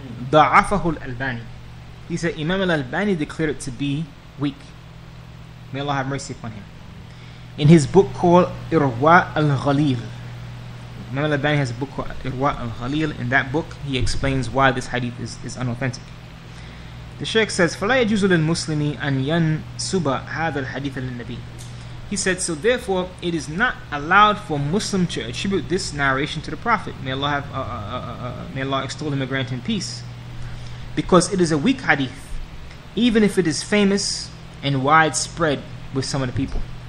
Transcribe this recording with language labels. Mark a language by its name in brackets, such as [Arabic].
[English] Da'afahu al-Albani. He said Imam al-Albani declared it to be weak. May Allah have mercy upon him. In his book called Irwa al-Ghalil. Imam al-Albani has a book called Irwa al-Ghalil. In that book, he explains why this hadith is unauthentic. The Shaykh says, [Arabic] فَلَا يَجُزُ لِلْمُسْلِمِ أَنْ يَنْسُبَ هَذَا الْحَدِيثَ لِلنَّبِيِّ. [English] He said, so therefore, it is not allowed for Muslim to attribute this narration to the Prophet. May Allah extol him and grant him peace. Because it is a weak hadith, even if it is famous and widespread with some of the people.